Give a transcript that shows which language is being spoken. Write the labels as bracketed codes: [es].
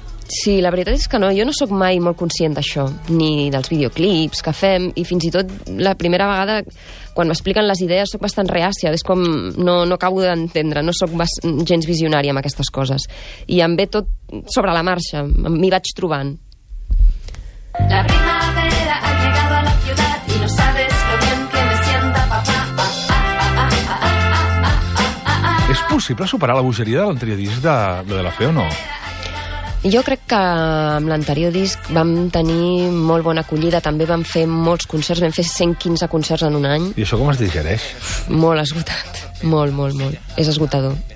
[ca] Sí, la veritat és que no, jo no sóc mai molt conscient d'això, ni dels videoclips que fem, i fins i tot la primera vegada, quan m'expliquen les idees, sóc bastant reàcia, és com no acabo d'entendre, no sóc gens visionària amb aquestes coses. I em ve tot sobre la marxa, m'hi vaig trobant. [es] La primavera ha llegado a la ciudad y no sabes lo bien que me sienta papá. [ca] És possible superar la bogeria de l'anterior disc de La Fe o no? Jo crec que amb l'anterior disc vam tenir molt bona acollida, també vam fer molts concerts, vam fer 115 concerts en un any. I això com es digereix? Molt esgotat, molt, molt, molt. És esgotador.